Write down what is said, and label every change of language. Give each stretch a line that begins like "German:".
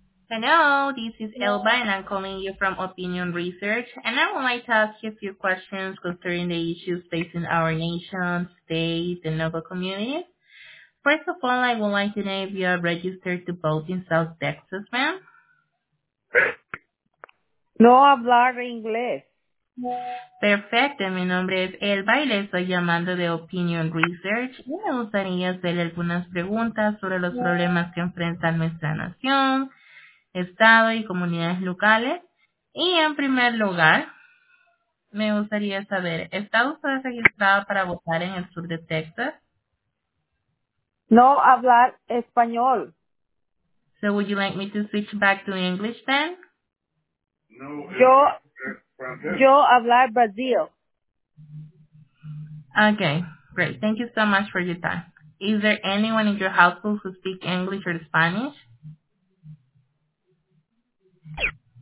English: Hello, this is Elba, and I'm calling you from Opinion Research, and I would like to ask you a few questions concerning the issues facing our nation, state, and local communities. First of all, I would like to know if you are registered to vote in South Texas, ma'am?
Spanish: No hablar inglés. Perfecto, mi nombre es Elba y le estoy llamando de Opinion Research y me gustaría hacerle algunas preguntas sobre los problemas que enfrenta nuestra nación, estado y comunidades locales. Y en primer lugar, me gustaría saber, ¿está usted registrada para votar en el sur de Texas? No hablar español.
English: So would you like me to switch back to English then?
Spanish: No. Yo hablar Brasil.
English: Okay, great. Thank you so much for your time. Is there anyone in your household who speaks English or Spanish?